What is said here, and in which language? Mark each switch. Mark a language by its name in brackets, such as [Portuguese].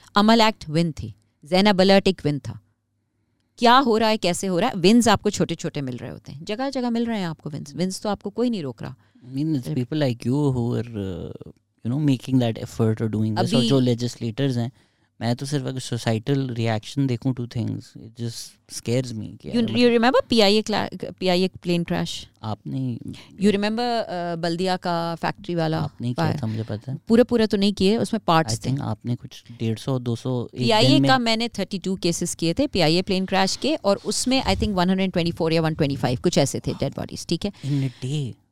[Urdu] عمل act one تھی, زینب alert ایک ون تھا. کیا ہو رہا ہے, کیسے ہو رہا ہے, ونز آپ کو چھوٹے چھوٹے مل رہے ہوتے ہیں, جگہ جگہ مل رہے ہیں آپ کو ونز. ونز تو آپ کو کوئی نہیں روک رہا. [English] people like you who are you know making that effort اور doing this, [Urdu] اور جو لیجسلیٹرز ہیں, میں تو صرف اگر سوسائٹل ریئیکشن دیکھوں [English] To things, it just scares me. You remember P I A plane crash? [Urdu] آپ نے, [English] you remember [Urdu] بلدیا کا فیکٹری والا؟ آپ نے کیا تھا مجھے پتا ہے, پورا پورا تو نہیں کیے, اس میں پارٹس تھے. آپ نے کچھ 150-200 پی آئی اے کا, میں نے 32 کیسز کیے تھے پی آئی اے پلین کریش کے, اور اس میں [English] I think [Urdu] 124 or 125 کچھ ایسے تھے ڈیڈ باڈیز, ٹھیک ہے.